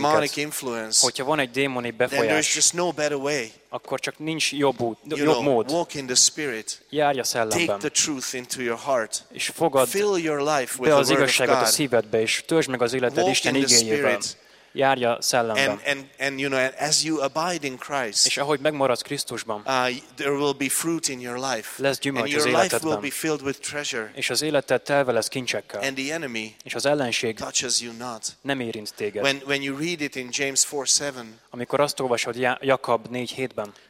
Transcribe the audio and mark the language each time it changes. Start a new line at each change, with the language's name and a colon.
Hungarian: minket, hogyha van egy démoni befolyás,
English: then there is just no better way,
Hungarian: akkor csak nincs jobb út,
English: you
Hungarian: jobb
English: know,
Hungarian: mód.
English: Walk in the spirit,
Hungarian: járj a szellemben,
English: take the truth into your heart,
Hungarian: és fogadd
English: fill your life with
Hungarian: be az igazságot a szívedbe, és töltsd meg az életed Isten igényében. Járj a szellemben.
English: And you know, as you abide in Christ,
Hungarian: és ahogy megmaradsz Krisztusban,
English: there will be fruit in your life,
Hungarian: lesz gyümölcs az életedben.
English: And your life will be filled with treasure,
Hungarian: és az életed telve lesz kincsekkel.
English: And the enemy,
Hungarian: és az ellenség
English: touches you not,
Hungarian: nem érint téged.
English: When you read it in James 4:7,
Hungarian: amikor azt olvasod Jakab 4:7-ben,